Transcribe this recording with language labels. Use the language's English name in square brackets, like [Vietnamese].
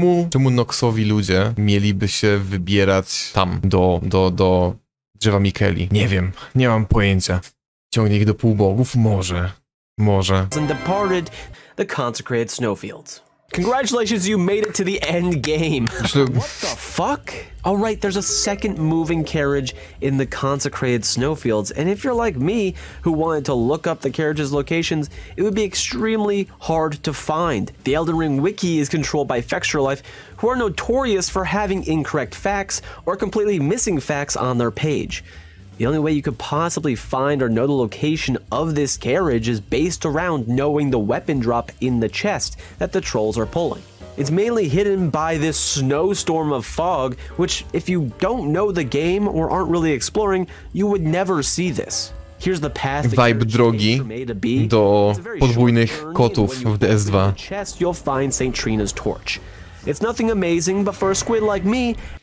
[Polish] Czemu Noxowi ludzie mieliby się wybierać tam, do drzewa Mikeli. Nie wiem, nie mam pojęcia. Ciągnie ich do półbogów? Może. Może. [English] And departed the consecrated snowfields. Congratulations, you made it to the end game. What the fuck? All right, there's a second moving carriage in the consecrated snowfields, and if you're like me, who wanted to look up the carriage's locations, it would be extremely hard to find. The Elden Ring wiki is controlled by Fextralife, who are notorious for having incorrect facts or completely missing facts on their page. The only way you could possibly find or know the location of this carriage is based around knowing the weapon drop in the chest that the trolls are pulling. It's mainly hidden by this snowstorm of fog, which if you don't know the game or aren't really exploring, you would never see this. Here's the path [Polish] vibe drogi do podwójnych kotów w DS2. [English] In the chest, you'll find St. Trina's torch. It's nothing amazing, but for a squid like me...